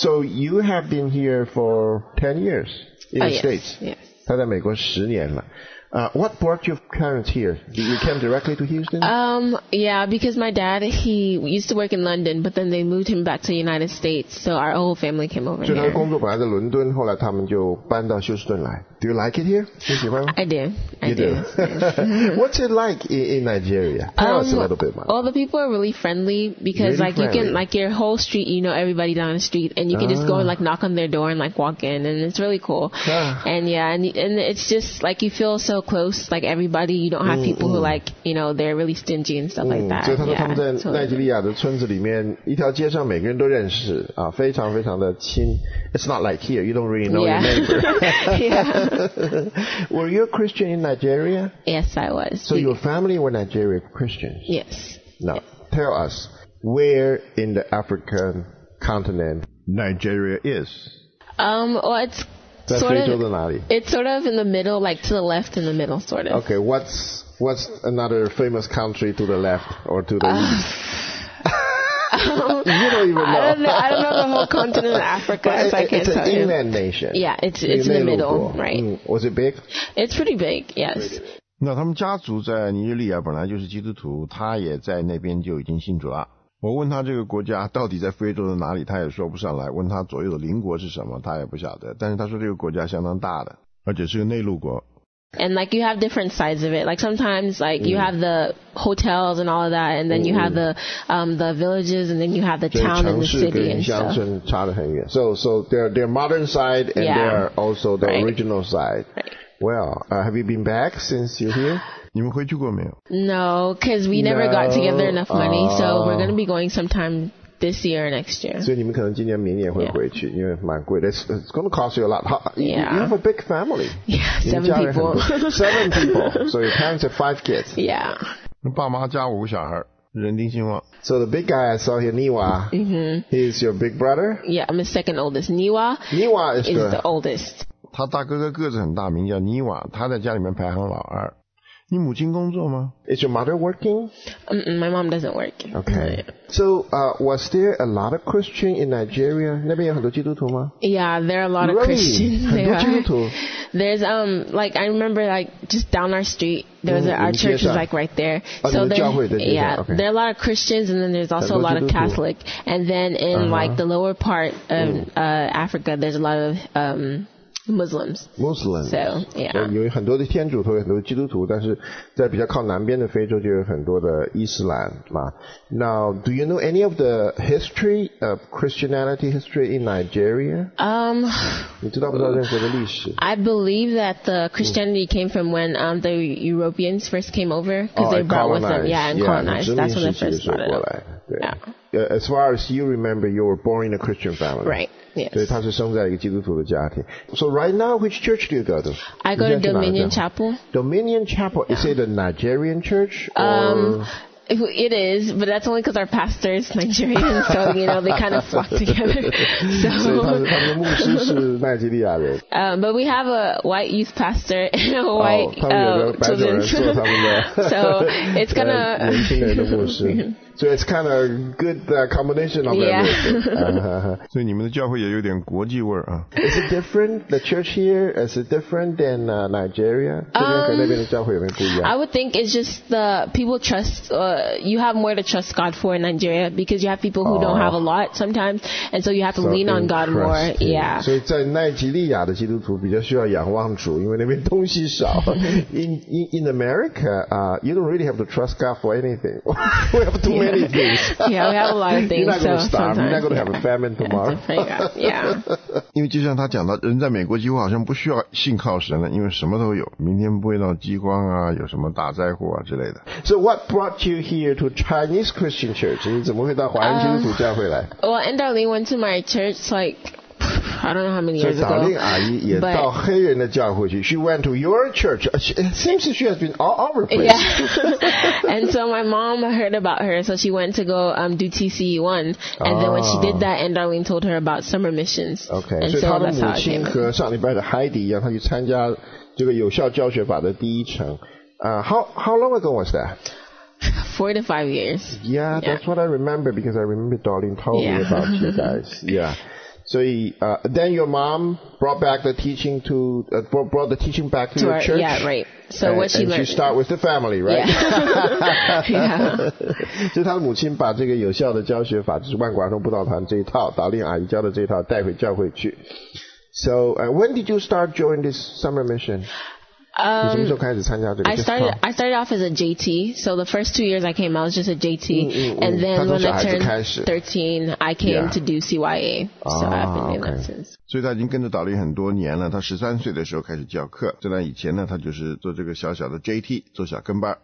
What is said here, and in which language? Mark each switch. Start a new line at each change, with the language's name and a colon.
English: So you have been here for 10 years in the States? Yes.
Chinese: 他在美国10年了。
English: What brought your parents here? Did you come directly to Houston? Because my dad, he used to work in London, but then they moved him back to the United States, so our whole family came over here.
Chinese: 所以他的工作本来在伦敦，后来他们就搬到休斯顿来。
English: Do you like it here?
Chinese: 你喜欢吗？
English: I do. You do? What's it like in Nigeria? Tell us a little bit more. All the people are really friendly, because your whole street, you know everybody down the street, and you can just go and like knock on their door and like walk in, and it's really cool. And it's just like you feel so close, like everybody, you don't have people who like, you know, they're really stingy and stuff like that.
Chinese: 所以他说他们在奈及利亚的村子里面，一条街上每个人都认识，啊，非常非常的亲。
English: It's not like here, you don't really know your neighbor. Were you a Christian in Nigeria? Yes, I was. So your family were Nigerian Christians? Yes. Now, tell us, where in the African continent Nigeria is? It's sort of in the middle, like to the left in the middle, sort of. Okay, what's another famous country to the left or to the east? I don't know the whole continent of Africa. But it's an inland nation. Yeah, it's in the middle, right? Was it big? It's pretty big, yes.
Chinese: 那他们家族在尼日利亚本来就是基督徒，他也在那边就已经信主了。我问他这个国家到底在非洲的哪里，他也说不上来。问他左右的邻国是什么，他也不晓得。但是他说这个国家相当大的，而且是个内陆国。
English: And like you have different sides of it. Like sometimes like you have the hotels and all of that, and then you have the villages, and then you have the town and the city and stuff.
Chinese: 城市跟乡村差得很远。
English: So they're modern side and they're also the original side. Well, have you been back since you're here?
Chinese: 你们回去过没有？
English: No, because we never got together enough money, so we're going to be going sometime this year or next year.
Chinese: 所以你们可能今年明年会回去，因为蛮贵的。
English: It's going to cost you a lot. You have a big family. Seven people. So your parents have 5 kids. Yeah.
Chinese: 爸妈加5个小孩。人丁兴旺。
English: So the big guy I saw here, Niwa, he's your big brother? Yeah, I'm the second oldest. Niwa is the oldest.
Chinese: 他大哥哥个子很大，名叫 Niwa, 他在家里面排行老二。你母亲工作吗？
English: Is your mother working? My mom doesn't work. Okay. So, was there a lot of Christian in Nigeria?
Chinese: 那边有很多基督徒吗？
English: Yeah, there are a lot of Christians. Really?
Chinese: 很多基督徒。
English: There's, like, I remember, like, just down our street, our church is, like, right there. So, there are a lot of Christians, and then there's also a lot of Catholic. And then in, like, the lower part of Africa, there's a lot of... Muslims. So, yeah.
Chinese: 有很多的天主徒，有很多基督徒，但是在比较靠南边的非洲就有很多的伊斯兰嘛。
English: Now, do you know any of the history of Christianity history in Nigeria?
Chinese: 你知道不知道任何的历史？
English: I believe that the Christianity came from when the Europeans first came over, because they brought with them, colonized. That's when they first started. As far as you remember, you were born in a Christian family. Right. Yes.
Chinese: 所以他是生在一个基督徒的家庭。
English: So right now, which church do you go to? I go to Dominion Chapel. Dominion Chapel, is it a Nigerian church? It is, but that's only because our pastor is Nigerian, so you know, they kind of flock together. So,
Chinese: 所以他们的牧师是奈及利亚人。
English: But we have a white youth pastor and a white children's.
Chinese: 他们有个白种人做他们的。
English: So it's kind of...
Chinese: 年轻人的牧师。
English: So it's kind of a good combination of everything. Yeah.
Chinese: 所以你们的教会也有点国际味儿啊。
English: Is it different, the church here, is it different than Nigeria?
Chinese: 这边和那边的教会有没有不一样？
English: I would think it's just the people trust, you have more to trust God for in Nigeria, because you have people who don't have a lot sometimes, and so you have to lean on God more. Yeah.
Chinese: 所以在奈及利亚的基督徒比较需要仰望主，因为那边东西少。
English: In America, you don't really have to trust God for anything. We have to Yeah, we have a lot of things. You're not going to starve. Sometimes. You're not going to have a famine tomorrow. Yeah.
Chinese: 因为就像他讲到，人在美国几乎好像不需要信靠神了，因为什么都有，明天不会闹饥荒啊，有什么大灾祸啊之类的。
English: So what brought you here to Chinese Christian church?
Chinese: 你怎么会到华人基督徒教会来？
English: Well, and Darlene went to my church like, I don't know how many years ago.
Chinese: 所以 Darlene阿姨也到黑人的教会去。
English: She went to your church. It seems she has been all over the place. Yeah. And so my mom heard about her, so she went to go do TCE1. And then when she did that, and Darlene told her about summer missions. Okay. And so that's how it came.
Chinese: 所以她的母亲和上礼拜的 Heidi 一样，她去参加这个有效教学法的第一程。
English: How long ago was that? 4 to 5 years. Yeah, that's what I remember, because I remember Darlene told me about you guys. Yeah. So then your mom brought back the teaching to, brought the teaching back to your church? Yeah, right. So and, what she and learned. And she start with the family, right? Yeah. 就她的母亲把这个有效的教学法，就是万国儿童布道团这一套，达令阿姨教的这一套带回教会去。 So when did you start joining this summer mission? I started off as a JT. So the first 2 years I came, I was just a JT. And then when I turned 13, I came to do CYA. So I've been doing that since.
Chinese: 所以他已经跟着导林很多年了。他13岁的时候开始教课。在那以前呢，他就是做这个小小的 JT, 做小跟班。